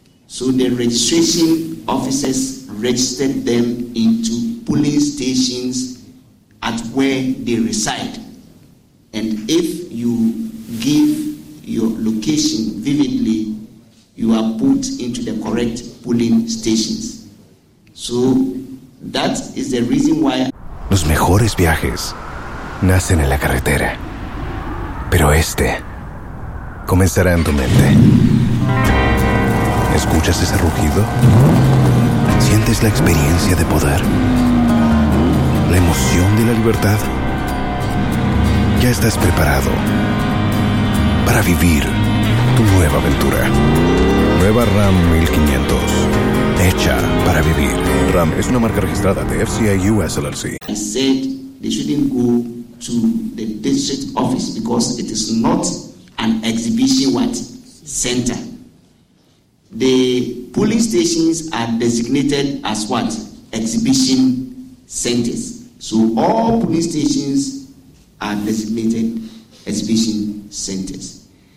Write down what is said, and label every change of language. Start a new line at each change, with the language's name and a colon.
English: So the registration officers registered them into polling stations at where they reside. And if you give your location vividly, you are put into the correct polling stations. So that is the reason why.
Spanish: Los mejores viajes nacen en la carretera, pero este comenzará en tu mente. ¿Escuchas ese rugido? ¿Sientes la experiencia de poder? ¿La emoción de la libertad? Ya estás preparado para vivir tu nueva aventura. Nueva Ram 1500. Hecha para vivir. Ram es una marca registrada de FCA US LLC.
English: I said they shouldn't go to the district office because it is not an exhibition center. The polling stations are designated as what? Exhibition centers. So all polling stations are designated exhibition centers.